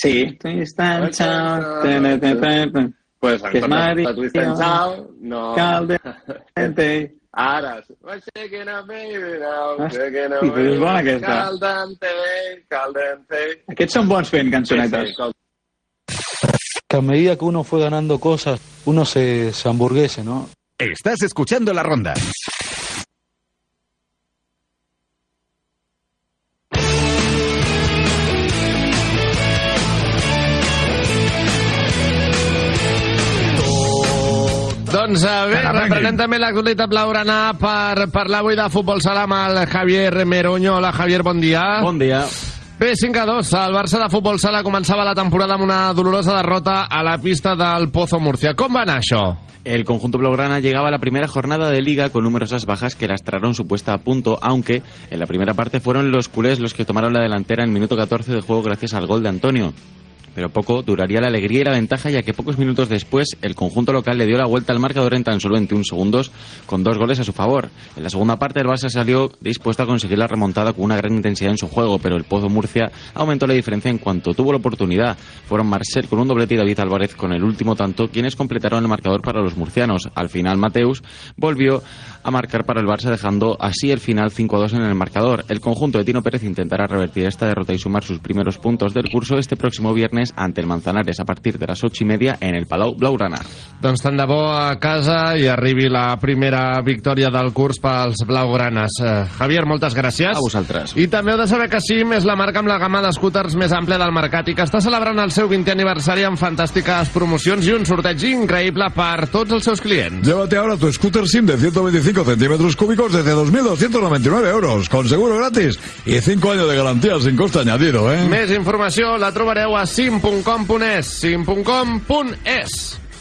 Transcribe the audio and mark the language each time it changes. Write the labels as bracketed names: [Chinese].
[Catalan] Sí. Twist and Shout. Doncs [Spanish] pues, en contra de Twist and Shout, no... Calde... [English] Ara. My shaking up, baby, now. Shaking up, baby. [Catalan] És bona, aquesta. Caldante, caldante. Aquests són bons fent cançonetes. Sí, sí. [Spanish] Que a medida que uno fue ganando cosas, uno se hamburguese, ¿no? Estás escuchando La Ronda. [Catalan] Doncs bé, reprenent també l'actualitat blaugrana per parlar avui de futbol sala amb el Javier Meroño. Hola, Javier, bon dia. Bon dia. Bé, 5-2. El Barça de futbol sala començava la temporada amb una dolorosa derrota a la pista del Pozo Murcia. Com va anar això? [Spanish] El conjunto blaugrana llegaba a la primera jornada de liga con numerosas bajas que lastraron su puesta a punto, aunque en la primera parte fueron los culés los que tomaron la delantera en el minuto 14 de juego gracias al gol de Antonio. Pero poco duraría la alegría y la ventaja, ya que pocos minutos después el conjunto local le dio la vuelta al marcador en tan solo 21 segundos con dos goles a su favor. En la segunda parte el Barça salió dispuesto a conseguir la remontada con una gran intensidad en su juego, pero el Pozo Murcia aumentó la diferencia en cuanto tuvo la oportunidad. Fueron Marcel con un doblete y David Álvarez con el último tanto quienes completaron el marcador para los murcianos. Al final Mateus volvió a marcar para el Barça, dejando así el final 5-2 en el marcador. El conjunto de Tino Pérez intentará revertir esta derrota y sumar sus primeros puntos del curso este próximo viernes ante el Manzanares a partir de las 8:30 en el Palau Blaugrana. [Catalan] Doncs tant de bo a casa i arribi la primera victòria del curs pels blaugranes. Javier, moltes gràcies. A vosaltres. I també heu de saber que Sim és la marca amb la gamma d'escúters més àmplia del mercat i que està celebrant el seu 20è aniversari amb fantàstiques promocions i un sorteig increïble per tots els seus clients. [Spanish] Llévate ahora tu scooter Sim de 125 centímetros cúbicos desde 2.299 euros con seguro gratis y 5 años de garantía sin coste añadido, ¿eh? [Catalan] Més informació la trobareu a sim.com.es, sim.com.es.